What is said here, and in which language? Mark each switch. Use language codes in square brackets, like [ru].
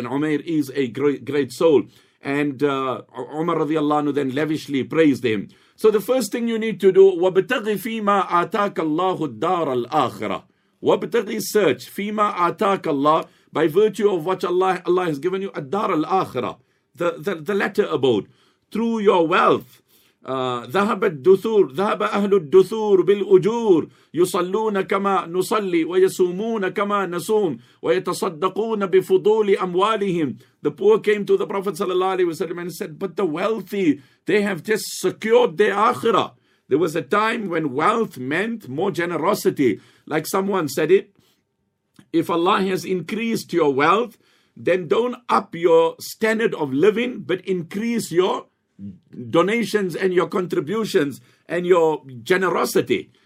[en] And Umar is a great soul. And Umar radiallahu anhu then lavishly praised him. So the first thing you need to do, [ar] وَبْتَغِ فِي مَا آتَاكَ اللَّهُ الدَّارَ الْآخِرَةِ. وَبْتَغِ [en] search [ar] فِي مَا آتَاكَ اللَّهُ, [en] by virtue of what Allah has given you, [ar] الدَّارَ الْآخِرَةِ, [en] the latter abode, through your wealth. [ar] ذهب الدثور ذهب أهل الدثور بالأجور يصلون كما نصلي ويصومون كما نصوم ويتصدقون بفضول أموالهم. [en] The poor came to the Prophet sallallahu alaihi wasallam and said, but the wealthy, they have just secured their akhirah. There was a time when wealth meant more generosity. Like someone said it, if Allah has increased your wealth, then don't up your standard of living, but increase your donations and your contributions and your generosity.